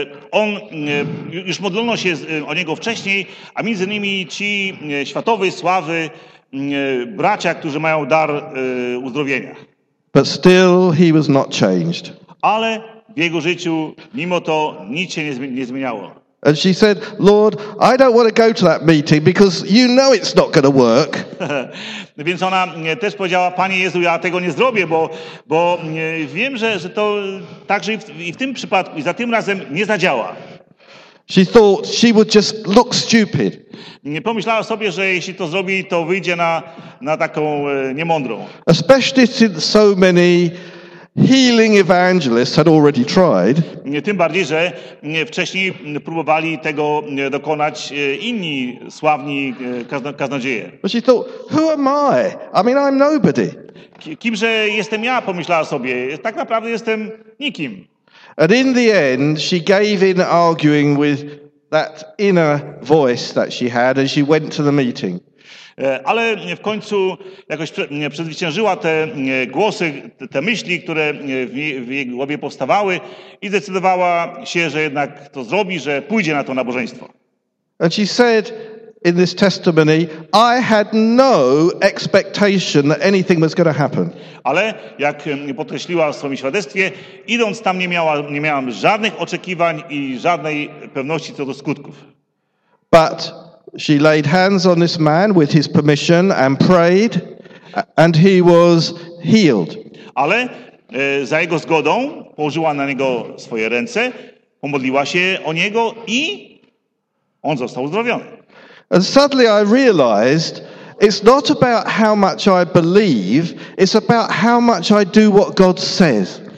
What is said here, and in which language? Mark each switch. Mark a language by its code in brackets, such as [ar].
[pl] On już modlono się o niego wcześniej, a między innymi ci światowej sławy bracia, którzy mają dar uzdrowienia. [en] But still he was not changed. [pl] Ale w jego życiu mimo to nic się nie zmieniało. [en] And she said, Lord, I don't want to go to that meeting because you know it's not going to work. [pl] Więc ona też powiedziała, Panie Jezu, ja tego nie zrobię, bo wiem, że to także i w tym przypadku, i za tym razem nie zadziała. [en] She thought she would just look stupid. [pl] Nie pomyślała sobie, że jeśli to zrobi, to wyjdzie na taką niemądrą. [en] Especially since so many healing evangelists had already tried. [pl] Tym bardziej, że wcześniej próbowali tego dokonać inni sławni kaznodzieje. [en] But she thought, who am I? I mean, I'm nobody. [pl] Kimże jestem ja, pomyślała sobie. Tak naprawdę jestem nikim. [en] And in the end, she gave in arguing with that inner voice that she had and she went to the meeting. [pl] Ale w końcu jakoś przezwyciężyła te głosy, te myśli, które w jej głowie powstawały i zdecydowała się, że jednak to zrobi, że pójdzie na to nabożeństwo. [en] And she said in this testimony, I had no expectation that anything was going to happen. [pl] Ale jak podkreśliła w swoim świadectwie, idąc tam nie miałam żadnych oczekiwań i żadnej pewności co do skutków. [en] But she laid hands on this man with his permission and prayed, and he was healed. [pl] Ale za jego zgodą położyła na niego swoje ręce, pomodliła się o niego i on został uzdrowiony. [en] And suddenly I realized it's not about how much I believe, it's about how much I do what God says.